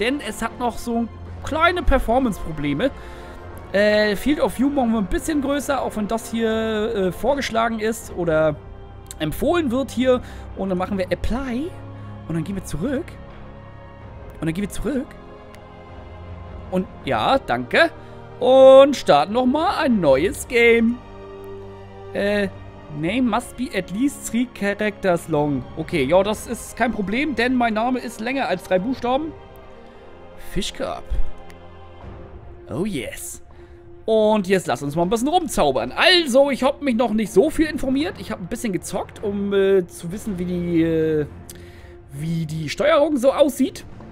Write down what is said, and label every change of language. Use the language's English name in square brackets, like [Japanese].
[German] Denn es hat noch so kleine Performance-Probleme. Field of View machen wir ein bisschen größer, auch wenn das hier vorgeschlagen ist oder empfohlen wird hier. Und dann machen wir Apply und dann gehen wir zurück. Und dann gehen wir zurück. Und ja, danke. Und starten nochmal ein neues Game. [English] Name must be at least 3 characters long. [German] Okay, ja, das ist kein Problem, denn mein Name ist länger als 3 Buchstaben. Fischkorb. Oh yes. Und jetzt lass uns mal ein bisschen rumzaubern. Also, ich habe mich noch nicht so viel informiert. Ich habe ein bisschen gezockt, um zu wissen, wie die Steuerung so aussieht.